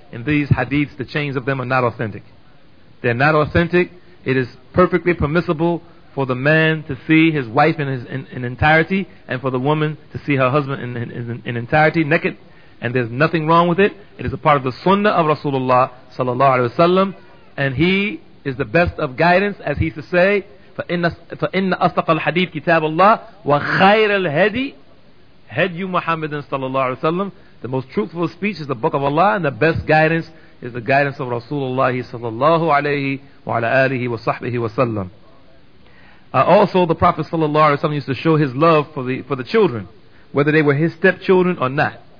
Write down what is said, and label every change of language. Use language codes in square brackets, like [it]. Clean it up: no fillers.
[en] And these hadiths, the chains of them, are not authentic. They're not authentic. It is perfectly permissible for the man to see his wife in entirety, and for the woman to see her husband in entirety, naked, And there's nothing wrong with it. It is a part of the sunnah of Rasulullah sallallahu alaihi wasallam. And he is the best of guidance, as he used to say, [ar] فَإِنَّ أَصْدَقَ الْحَدِيثِ كِتَابَ اللَّهِ وَخَيْرَ الْهَدِي هَدْيُ مُحَمَّدٍ صَلَّى اللَّهُ عَلَيْهِ وَسَلَّمُ. [en] The most truthful speech is the book of Allah, and the best guidance is the guidance of Rasulullah sallallahu alayhi wa ala alihi wa sahbihi wa sallam. Also, the Prophet sallallahu alayhi wa sallam used to show his love for the children, whether they were his stepchildren or not.